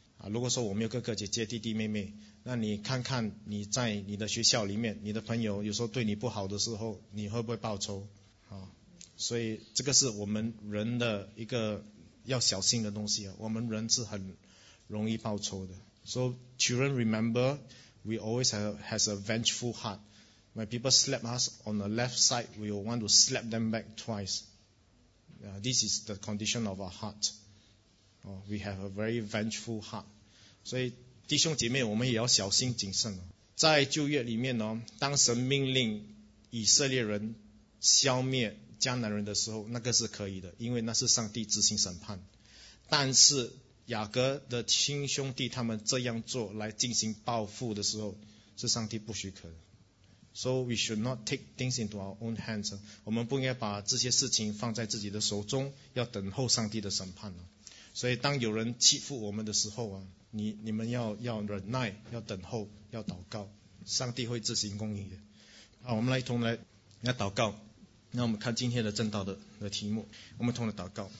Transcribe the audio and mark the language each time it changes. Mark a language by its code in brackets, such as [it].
[zh] 如果说我没有哥哥姐姐弟弟妹妹，那你看看你在你的学校里面，你的朋友有时候对你不好的时候，你会不会报仇？所以这个是我们人的一个要小心的东西，我们人是很容易报仇的。 [en] So children, remember, we always has a vengeful heart. When people slap us on the left side, we will want to slap them back twice. This is the condition of our heart. We have a very vengeful heart. [zh] 所以弟兄姐妹，我们也要小心谨慎。在旧约里面，当神命令以色列人消灭迦南人的时候，那个是可以的，因为那是上帝执行审判。但是雅各的亲兄弟他们这样做来进行报复的时候，是上帝不许可的。 [en] So we should not take things into our own hands. [zh] 我们不应该把这些事情放在自己的手中，要等候上帝的审判。所以当有人欺负我们的时候啊，你们要忍耐，要等候，要祷告，上帝会执行公义的。好，我们来一同来祷告。那我们看今天的正道的题目，我们同来祷告。